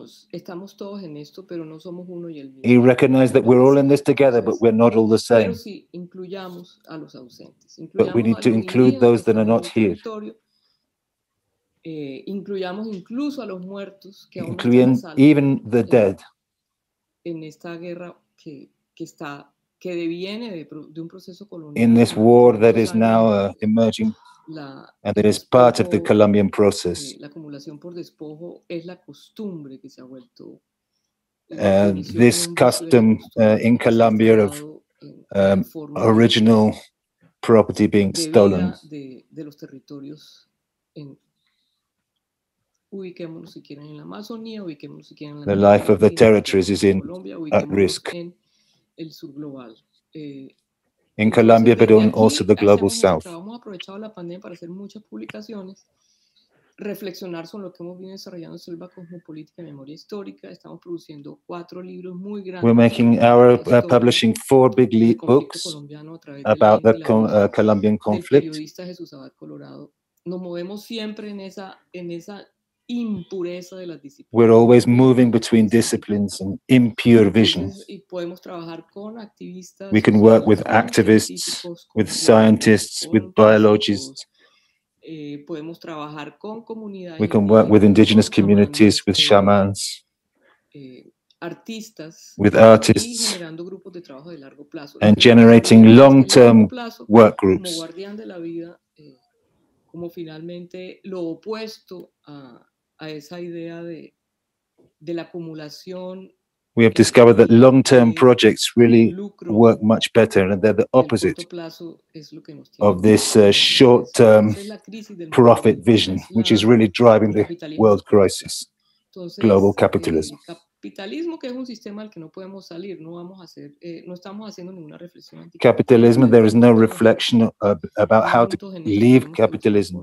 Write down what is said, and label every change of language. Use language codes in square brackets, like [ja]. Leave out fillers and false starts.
[es] Estamos todos en esto, pero no somos uno y el mismo. [en] He recognized that we're all in this together, but we're not all the same. [es] Pero sí, incluyamos a los ausentes. [en] But we need to include those that are not here. [es] Incluyamos incluso a los muertos que aún están salvos. [en] Even the dead. [es] En esta guerra que deviene de un proceso colonial. [en] In this war that is now emerging. And it is part of the Colombian process. [es] La acumulación por despojo es la costumbre que se ha vuelto. [en] This custom in Colombia of original property being stolen. [es] De los territorios en, ubiquémonos si quieren en la Amazonía, ubiquémonos si quieren en la. [en] The life of the territories is in at risk. [es] En el sur global. [en] In Colombia, but also the global south. [es] Hemos aprovechado la pandemia para hacer muchas publicaciones, reflexionar sobre lo que hemos venido desarrollando selva cosmopolítica y memoria histórica. Estamos produciendo 4 libros muy grandes. [en] We're making our publishing 4 big books about the Colombian conflict. [es] El periodista Jesús Abad Colorado. Nos movemos siempre en esa impureza de las disciplinas. [en] We're always moving between disciplines and impure visions. [es] Y podemos trabajar con activistas. [en] We can work with activists, with scientists, with biologists. [es] Podemos trabajar con comunidades. [en] We can work with indigenous communities, with shamans. [es] Artistas. [en] With artists. [es] Y generando grupos de trabajo de largo plazo. [en] And generating long-term work groups. [es] Como guardián de la vida. Como finalmente lo opuesto a esa idea de la acumulación. [en] We have discovered that long-term projects really work much better, and they're the opposite of this short-term profit vision, which is really driving the world crisis, global capitalism. [es] Capitalismo, que es un sistema al que no podemos salir, no vamos a hacer, no estamos haciendo ninguna reflexión. [en] Capitalism, there is no reflection about how to leave capitalism.